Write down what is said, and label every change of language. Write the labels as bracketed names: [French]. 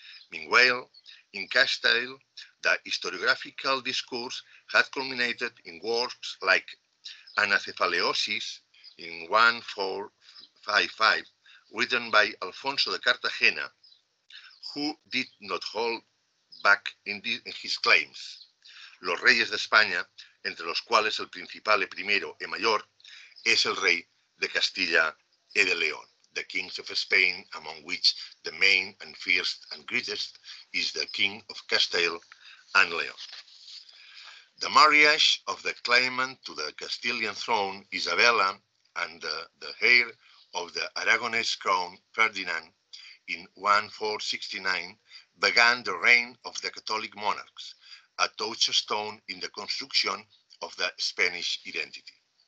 [English] Meanwhile, in Castile, the historiographical discourse had culminated in works like Anacephaleosis in 1455, written by Alfonso de Cartagena, who did not hold back in his claims. [Spanish] Los Reyes de España, entre los cuales el principal, primero y mayor, es el rey de Castilla y de León. [English] The kings of Spain, among which the main and first and greatest is the king of Castile and León. The marriage of the claimant to the Castilian throne, Isabella, and the heir of the Aragonese crown, Ferdinand, in 1469, began the reign of the Catholic monarchs, a touchstone in the construction of the Spanish identity.